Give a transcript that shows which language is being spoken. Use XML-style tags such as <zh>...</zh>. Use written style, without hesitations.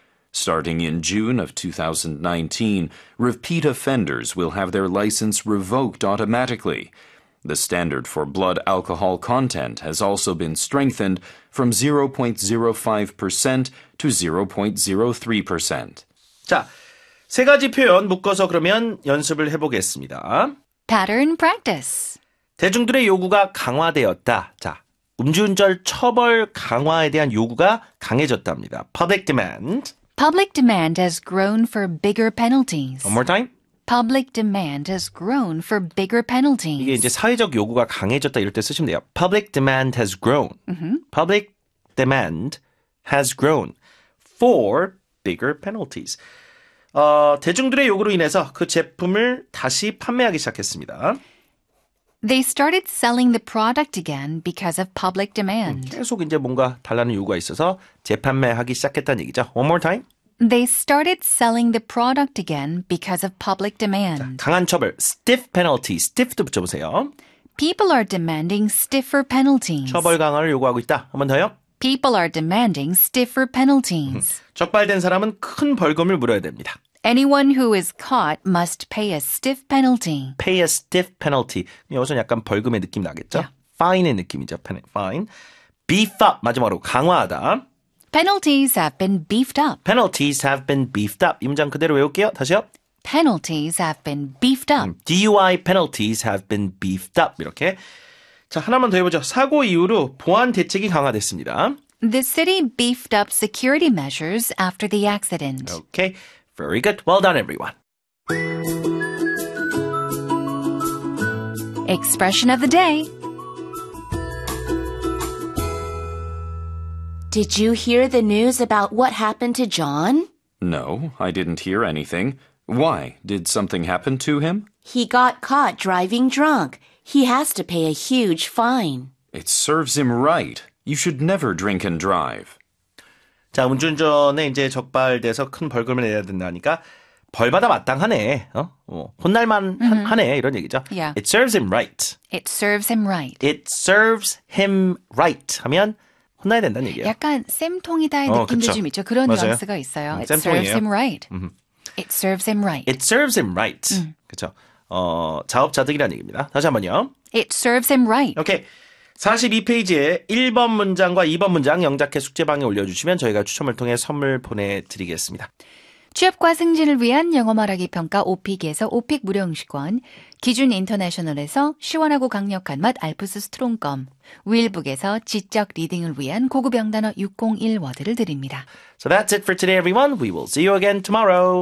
<en>Starting in June of 2019, repeat offenders will have their license revoked automatically. The standard for blood alcohol content has also been strengthened from 0.05% to 0.03%.</en> <ko>자, 세 가지 표현 묶어서 그러면 연습을 해보겠습니다.</ko> <en>Pattern practice.</en> <ko>대중들의 요구가 강화되었다. 자, 음주운전 처벌 강화에 대한 요구가 강해졌답니다.</ko> <en>Public demand. Public demand has grown for bigger penalties. One more time. Public demand has grown for bigger penalties.</en> <ko>이게 이제 사회적 요구가 강해졌다 이럴 때 쓰시면 돼요.</ko> <en>Public demand has grown. Mm-hmm. Public demand has grown for bigger penalties.</en> <ko>대중들의 요구로 인해서 그 제품을 다시 판매하기 시작했습니다.</ko> <en>They started selling the product again because of public demand.</en> <ko>계속 이제 뭔가 달라는 요구가 있어서 재판매하기 시작했다는 얘기죠.</ko> <en>One more time. They started selling the product again because of public demand.</en> <ko>자, 강한 처벌,</ko> <en>stiff penalty,</en> <ko>stiff도 붙여보세요.</ko> <en>People are demanding stiffer penalties.</en> <ko>처벌 강화를 요구하고 있다. 한 번 더요.</ko> <en>People are demanding stiffer penalties.</en> <ko>적발된 사람은 큰 벌금을 물어야 됩니다.</ko> <en>Anyone who is caught must pay a stiff penalty. Pay a stiff penalty.</en> <ko>여기서는 약간 벌금의 느낌 나겠죠?</ko> <en>Yeah.</en> <ko>Fine의 느낌이죠. Fine.</ko> <en>Beef up.</en> <ko>마지막으로 강화하다.</ko> <en>Penalties have been beefed up. Penalties have been beefed up.</en> <ko>이 문장 그대로 외울게요. 다시요.</ko> <en>Penalties have been beefed up. DUI penalties have been beefed up.</en> <ko>이렇게. 자, 하나만 더 해보죠. 사고 이후로 보안 대책이 강화됐습니다.</ko> <en>The city beefed up security measures after the accident. Okay. Very good. Well done, everyone. Expression of the day. Did you hear the news about what happened to John? No, I didn't hear anything. Why? Did something happen to him? He got caught driving drunk. He has to pay a huge fine. It serves him right. You should never drink and drive.</en> <ko>자, 운전전에 이제 적발돼서 큰 벌금을 내야 된다니까 벌받아 마땅하네. 혼날만 하네. 이런 얘기죠.</ko> <en>Yeah. It serves him right. It serves him right. It serves him right.</en> <ko>하면 혼나야 된다는 얘기예요. 약간 쌤통이다의 느낌도 좀 있죠. 그런 맞아요. 뉘앙스가 있어요. It 쌤통이에요.</ko> <en>serves him right. It serves him right. It serves him right.</en> <ko>그렇죠. 자업자득이라는 얘기입니다. 다시 한번요. It serves him right. 오케이. 42페이지에 1번 문장과 2번 문장 영작해 숙제방에 올려주시면 저희가 추첨을 통해 선물 보내드리겠습니다. 취업과 승진을 위한 영어 말하기 평가 오픽에서 오픽 무료 음식권, 기준 인터내셔널에서 시원하고 강력한 맛 알프스 스트롱껌, 윌북에서 지적 리딩을 위한 고급 영단어 601 워드를 드립니다.</ko> <en>So that's it for today, everyone. We will see you again tomorrow.</en>